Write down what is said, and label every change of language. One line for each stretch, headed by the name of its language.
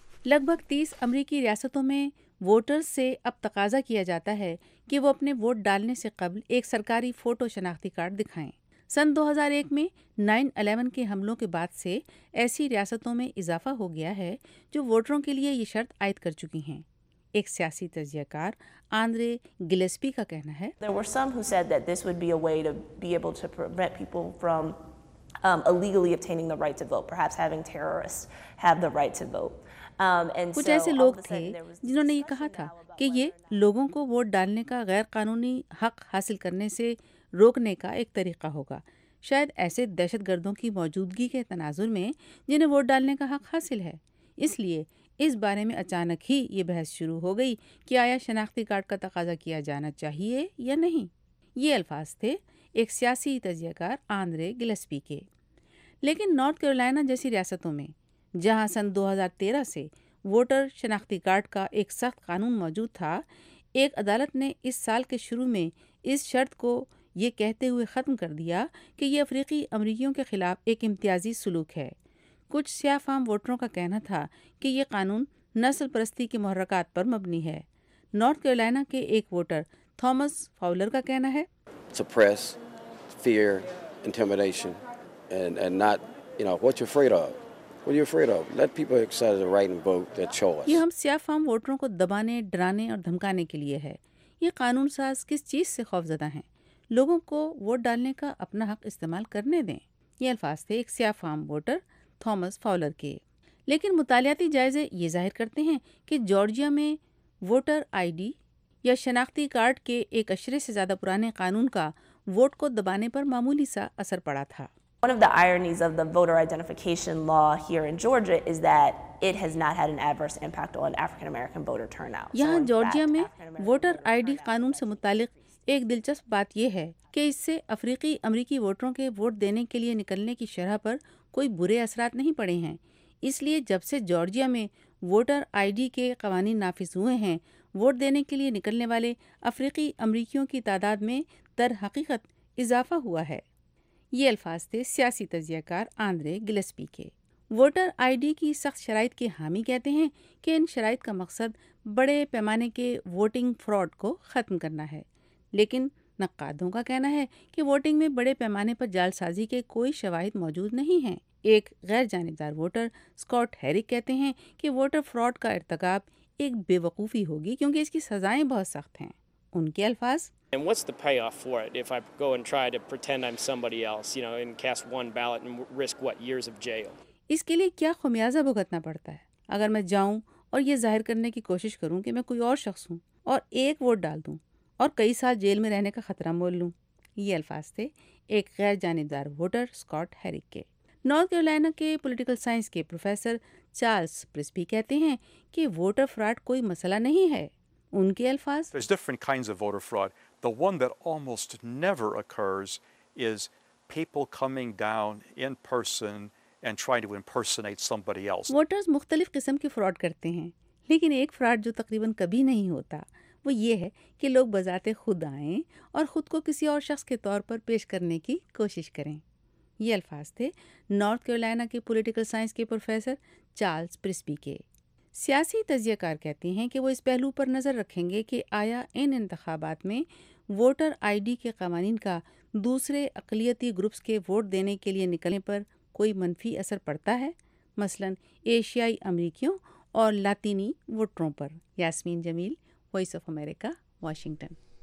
Urdu: لگ بھگ 30 امریکی ریاستوں میں ووٹرز سے اب تقاضا کیا جاتا ہے کہ وہ اپنے ووٹ ڈالنے سے قبل ایک سرکاری فوٹو شناختی کارڈ دکھائیں. سن 2001 میں 9/11 کے حملوں کے بعد سے ایسی ریاستوں میں اضافہ ہو گیا ہے جو ووٹروں کے لیے یہ شرط عائد کر چکی ہیں. ایک سیاسی تجزیہ کار آندرے گلیسپی کا کہنا ہے,
English: There were some who said that this would be a way to be able to prevent people from illegally obtaining the right to vote, perhaps having terrorists have the right to vote.
Urdu: کچھ ایسے لوگ تھے جنہوں نے یہ کہا تھا کہ یہ لوگوں کو ووٹ ڈالنے کا غیر قانونی حق حاصل کرنے سے روکنے کا ایک طریقہ ہوگا, شاید ایسے دہشت گردوں کی موجودگی کے تناظر میں جنہیں ووٹ ڈالنے کا حق حاصل ہے. اس لیے اس بارے میں اچانک ہی یہ بحث شروع ہو گئی کہ آیا شناختی کارڈ کا تقاضا کیا جانا چاہیے یا نہیں. یہ الفاظ تھے ایک سیاسی تجزیہ کار آندرے گلیسپی کے. لیکن نارتھ کیرولائنا جیسی ریاستوں میں جہاں سن 2013 سے ووٹر شناختی کارڈ کا ایک سخت قانون موجود تھا, ایک عدالت نے اس سال کے شروع میں اس شرط کو یہ کہتے ہوئے ختم کر دیا کہ یہ افریقی امریکیوں کے خلاف ایک امتیازی سلوک ہے. کچھ سیاہ فام ووٹروں کا کہنا تھا کہ یہ قانون نسل پرستی کے محرکات پر مبنی ہے. نارتھ کیرولائنا کے ایک ووٹر تھامس فاولر کا کہنا ہے,
English: Suppress, fear, intimidation, and not, you know, what you're afraid of. What are you afraid of? Let people exercise the right and vote their choice.
Urdu: یہ ہم سیاہ فام ووٹروں کو دبانے، ڈرانے اور دھمکانے کے لیے ہے۔ یہ قانون ساز کس چیز سے خوف زدہ ہیں؟ لوگوں کو ووٹ ڈالنے کا اپنا حق استعمال کرنے دیں۔ یہ الفاظ تھے ایک سیاہ فام ووٹر تھامس فاولر کے۔ لیکن مطالعاتی جائزے یہ ظاہر کرتے ہیں کہ جارجیا میں ووٹر آئی ڈی یا شناختی کارڈ کے ایک عشرے سے زیادہ پرانے قانون کا ووٹ کو دبانے پر معمولی سا اثر پڑا تھا۔
English: One of the ironies of the voter identification law here in Georgia is that it has not had an adverse impact on African American voter turnout.
Urdu: یہاں جارجیا میں ووٹر آئی ڈی قانون سے متعلق ایک دلچسپ بات یہ ہے کہ اس سے افریقی امریکی ووٹروں کے ووٹ دینے کے لیے نکلنے کی شرح پر کوئی برے اثرات نہیں پڑے ہیں۔ اس لیے جب سے جارجیا میں ووٹر آئی ڈی کے قوانین نافذ ہوئے ہیں، ووٹ دینے کے لیے نکلنے والے افریقی امریکیوں کی تعداد میں در حقیقت اضافہ ہوا ہے۔ یہ الفاظ تھے سیاسی تجزیہ کار آندرے گلسپی کے۔ ووٹر آئی ڈی کی سخت شرائط کے حامی کہتے ہیں کہ ان شرائط کا مقصد بڑے پیمانے کے ووٹنگ فراڈ کو ختم کرنا ہے، لیکن نقادوں کا کہنا ہے کہ ووٹنگ میں بڑے پیمانے پر جال سازی کے کوئی شواہد موجود نہیں ہیں۔ ایک غیر جانبدار ووٹر اسکاٹ ہیرک کہتے ہیں کہ ووٹر فراڈ کا ارتکاب ایک بے وقوفی ہوگی کیونکہ اس کی سزائیں بہت سخت ہیں۔ ان کے الفاظ
English: And what's the payoff for it if I go and try to pretend I'm somebody else, you know, and cast one ballot and risk what years of jail?
Urdu: اس کے لیے کیا خمیازہ بھگتنا پڑتا ہے اگر میں جاؤں اور یہ ظاہر کرنے کی کوشش کروں کہ میں کوئی اور شخص ہوں اور ایک ووٹ ڈال دوں اور کئی سال جیل میں رہنے کا خطرہ مول لوں؟ یہ الفاظ تھے ایک غیر جانبدار ووٹر اسکاٹ ہیرک کے۔ نارتھ کیرولائنا کے پولیٹیکل سائنس کے پروفیسر چارلس پرسپی کہتے ہیں کہ ووٹر فراڈ کوئی مسئلہ نہیں ہے۔ ان کے الفاظ
English: There's different kinds of voter fraud. The one that almost never occurs is people coming down in person and trying to impersonate somebody else.
Urdu: Voters مختلف قسم کے فراڈ کرتے ہیں، لیکن ایک فراڈ جو تقریباً کبھی نہیں ہوتا وہ یہ ہے کہ لوگ بذات خود آئیں اور خود کو کسی اور شخص کے طور پر پیش کرنے کی کوشش کریں۔ یہ الفاظ تھے نارتھ کیرولائنا کے پولیٹیکل سائنس کے پروفیسر چارلس پرسپی کے۔ سیاسی تجزیہ کار کہتے ہیں کہ وہ اس پہلو پر نظر رکھیں گے کہ آیا ان انتخابات میں ووٹر آئی ڈی کے قوانین کا دوسرے اقلیتی گروپس کے ووٹ دینے کے لیے نکلنے پر کوئی منفی اثر پڑتا ہے، مثلاً ایشیائی امریکیوں اور لاطینی ووٹروں پر۔ یاسمین جمیل، وائس آف امریکہ، واشنگٹن۔